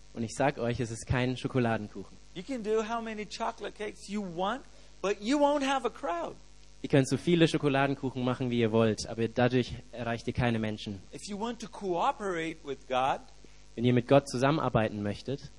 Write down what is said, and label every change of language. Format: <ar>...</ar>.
<de>Und ich sag euch, es ist kein Schokoladenkuchen.</de> <en>You can do how many chocolate cakes you want, but you won't have a crowd.</en> <de>Ihr könnt so viele Schokoladenkuchen machen, wie ihr wollt, aber dadurch erreicht ihr keine Menschen.</de> <en>If you want to cooperate with God,</en> <de>wenn ihr mit Gott zusammenarbeiten möchtet,</de>